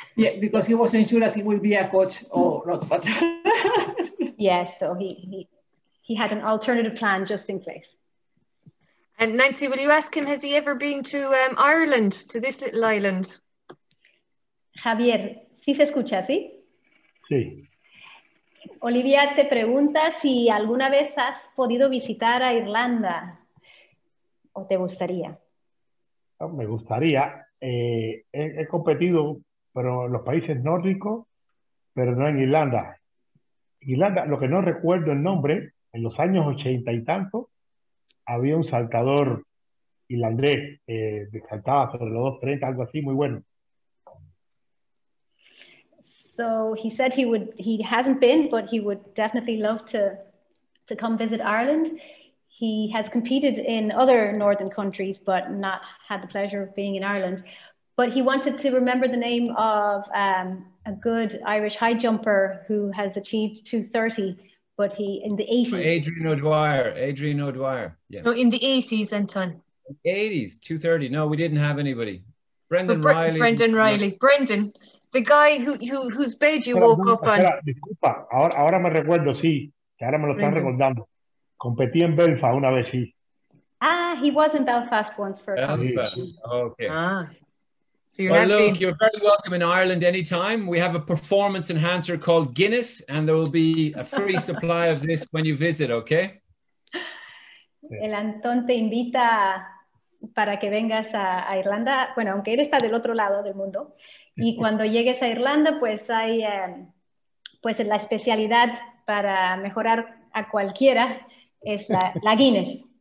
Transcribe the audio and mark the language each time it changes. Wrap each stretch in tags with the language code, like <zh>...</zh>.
<en>Yeah, because he wasn't sure that he would be a coach or not. But yes, yeah, so he had an alternative plan just in place. And Nancy, will you ask him, has he ever been to Ireland, to this little island?</en> <es>Javier, ¿sí se escucha, sí? Sí. Olivia te pregunta si alguna vez has podido visitar a Irlanda o te gustaría. No, me gustaría. He competido pero en los países nórdicos, pero no en Irlanda. Irlanda, lo que no recuerdo el nombre. En los años 80 y tanto, había un saltador irlandés que saltaba sobre los 230, algo así, muy bueno.</es> <en>So he said he hasn't been, but he would definitely love to come visit Ireland. He has competed in other northern countries, but not had the pleasure of being in Ireland. But he wanted to remember the name of a good Irish high jumper who has achieved 230. But he, in the 80s. Adrian O'Dwyer, yeah. No, in the 80s, Anton. 80s, 230. No, we didn't have anybody. Riley. Brendan Riley. Yeah. Brendan, the guy whose bed you woke up on.</en> <es>Disculpa, ahora me recuerdo, sí. Que ahora me lo están recordando. Competí en Belfast una vez, sí.</es> <en>Ah, he was in Belfast once for a couple of years. Belfast, okay. You're very welcome in Ireland anytime. We have a performance enhancer called Guinness, and there will be a free supply of this when you visit, okay?</en> <es>El Antón te invita para que vengas a Irlanda. Bueno, aunque él está del otro lado del mundo. Y cuando llegues a Irlanda, pues hay pues la especialidad para mejorar a cualquiera es la Guinness.</es>